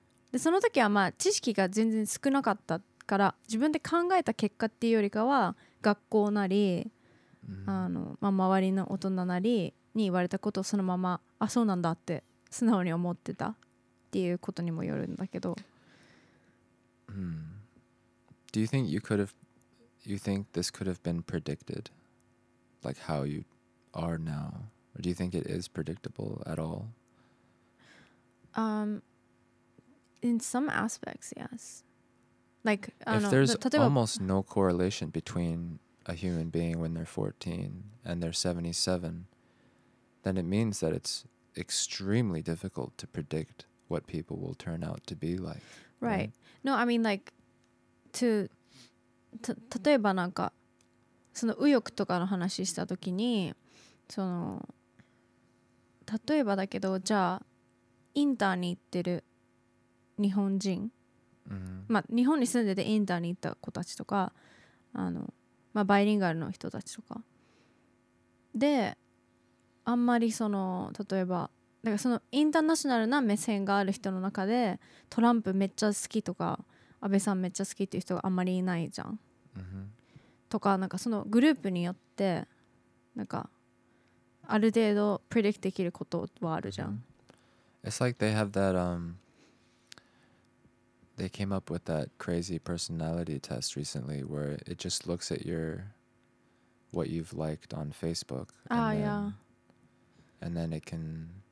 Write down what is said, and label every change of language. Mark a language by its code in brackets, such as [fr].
[ja] でその時はまあ知識が全然少なかったから自分で考えた結果っていうよりかは学校なり、周りの大人なりに言われたことをそのままあそうなんだって素直に思ってたっていうことにもよるんだけど、 [en] Do you think you think this could have been predicted? Like how you are now? Or do you think it is predictable at all? In some aspects, yes. Like, if there's almost no correlation between a human being when they're 14 and they're 77, then it means that it's extremely difficult to predict what people will turn out to be like. Right. Right? No, I mean, like, to... [ja] 例えばなんかその右翼とかの話したときに、その例えばだけど、じゃあインターに行ってる日本人、日本に住んでてインターに行った子たちとか、バイリンガルの人たちとかで、あんまりその例えばだからそのインターナショナルな目線がある人の中でトランプめっちゃ好きとか安倍さんめっちゃ好きっていう人があんまりいないじゃん、とかなんかそのグループによってなんかある程度プレディクトできることはあるじゃん、 [en] It's like they have that they came up with that crazy personality test recently where it just looks at your what you've liked on Facebook and then it can